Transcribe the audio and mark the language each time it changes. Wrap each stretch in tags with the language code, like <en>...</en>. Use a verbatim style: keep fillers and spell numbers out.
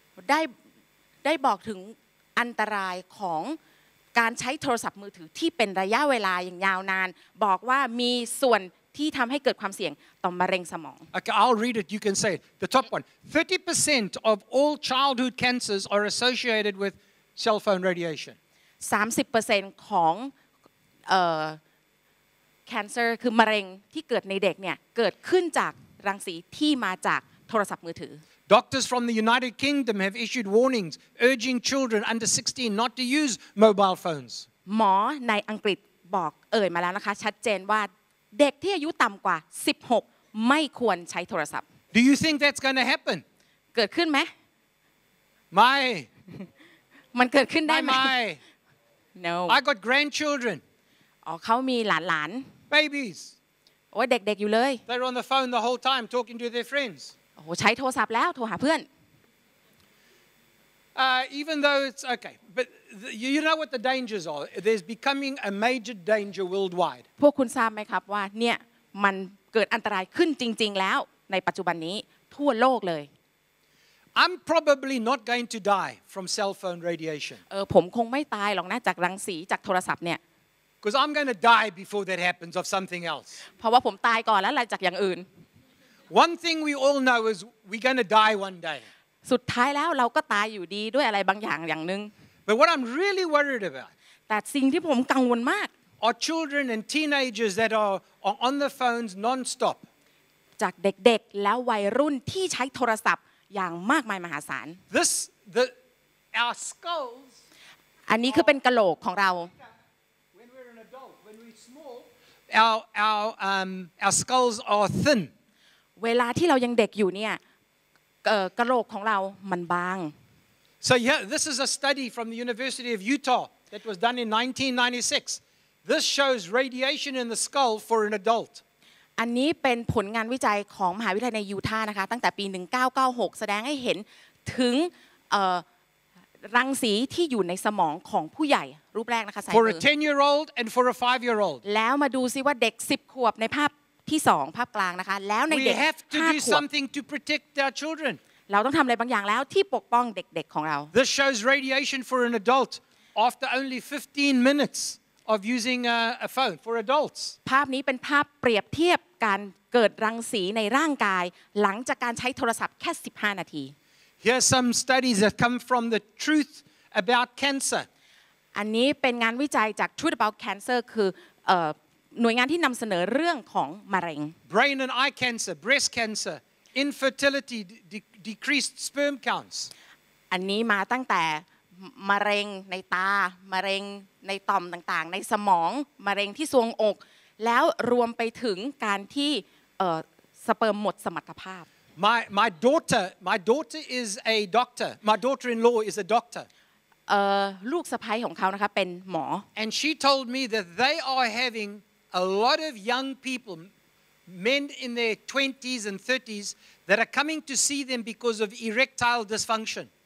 <th>ได้ได้บอกถึงอันตรายของการใช้โทรศัพท์มือถือที่เป็นระยะเวลาอย่างยาวนานบอกว่ามีส่วนที่ทำให้เกิดความเสี่ยงต่อมะเร็งสมอง</th> <en>Okay, I'll read it. You can say it. The top one. thirty percent of all childhood cancers are associated with cell phone radiation.</en> <th>สามสิบเปอร์เซ็นต์ ของเอ่อ cancer คือมะเร็งที่เกิดในเด็กเนี่ยเกิดขึ้นจากรังสีที่มาจากโทรศัพท์มือถือ</th> <en>Doctors from the United Kingdom have issued warnings urging children under sixteen not to use mobile phones.</en> <th>หมอในอังกฤษบอกเอ่ยมาแล้วนะคะชัดเจนว่าเด็กที่อายุต่ำกว่าสิบหกไม่ควรใช้โทรศัพท์</th> <en>Do you think that's going to happen?</en> <th>เกิดขึ้นไหม ไม่ มันเกิดขึ้นได้ ไม่ ไหม ไม่</th> <en>No I got grandchildren.</en> <th>อ๋อเขามีหลานๆ</th> <en>Babies.</en> <th>โอ้ยเด็กๆอยู่เลย</th> <en>They're on the phone the whole time talking to their friends.</en> <th>โอ้ใช้โทรศัพท์แล้วโทรหาเพื่อน</th> <en>uh, Even though it's okay but the, you know what the dangers are there's becoming a major danger worldwide</en> <th>พวกคุณทราบไหมครับว่าเนี่ยมันเกิดอันตรายขึ้นจริงๆแล้วในปัจจุบันนี้ทั่วโลกเลย</th> <en>I'm probably not going to die from cell phone radiation</en> <th>เออผมคงไม่ตายหรอกนะจากรังสีจากโทรศัพท์เนี่ย</th> <en>Because I'm going to die before that happens of something else</en> <th>เพราะว่าผมตายก่อนแล้วหลังจากอย่างอื่น</th> <en>One thing we all know is we're going to die one day.</en> <th>สุดท้ายแล้วเราก็ตายอยู่ดีด้วยอะไรบางอย่างอย่างนึง</th> <en>But what I'm really worried about</en> <th>แต่สิ่งที่ผมกังวลมาก</th> <en>are children and teenagers that are, are on the phones non-stop.</en> <th>จากเด็กๆแล้ววัยรุ่นที่ใช้โทรศัพท์อย่างมากมายมหาศาล</th> <en>This the our skulls</en> <th>อันนี้คือเป็นกะโหลกของเรา</th> <en>When we're an adult, when we're small, our our um our skulls are thin.</en> <th>เวลาที่เรายังเด็กอยู่เนี่ยกะโหลกของเรามันบาง</th> <en>So yeah this is a study from the University of Utah that was done in nineteen ninety-six This shows radiation in the skull for an adult</en> <th>อันนี้เป็นผลงานวิจัยของมหาวิทยาลัยในยูทาห์นะคะตั้งแต่ปีหนึ่งพันเก้าร้อยเก้าสิบหกแสดงให้เห็นถึงเอ่อรังสีที่อยู่ในสมองของผู้ใหญ่รูปแรกนะคะ</th> <en>For a ten year old and for a five year old</en> <th>แล้วมาดูซิว่าเด็กสิบขวบในภาพที่สองภาพกลางนะคะแล้วในเด็ก</th> <en>We have to</en> <th>ห้า</th> <en>do</en> <th>ขวบ</th> <en>something to protect our children</en> <th>เราต้องทำอะไรบางอย่างแล้วที่ปกป้องเด็กๆของเรา</th> <en>This shows radiation for an adult after only fifteen minutes of using a, a phone for adults</en> <th>ภาพนี้เป็นภาพเปรียบเทียบการเกิดรังสีในร่างกายหลังจากการใช้โทรศัพท์แค่สิบห้านาที</th> <en>Here are some studies that come from the Truth About Cancer</en> <th>อันนี้เป็นงานวิจัยจาก Truth About Cancer คือเอ่อหน่วยงานที่นำเสนอเรื่องของมะเร็ง</th> <en>Brain and eye cancer, breast cancer, infertility, de- decreased sperm counts</en> <th>อันนี้มาตั้งแต่มะเร็งในตามะเร็งในต่อมต่างๆในสมองมะเร็งที่ทรวงอกแล้วรวมไปถึงการที่เอ่อสเปิร์มหมดสมรรถภาพ</th> <en>My my daughter, my daughter is a doctor. My daughter-in-law is a doctor.</en> <th>เอ่อลูกสะใภ้ของเขานะคะเป็นหมอ</th> <en>And she told me that they are having a lot of young people men in their twenties and thirties that are coming to see them because of erectile dysfunction</en>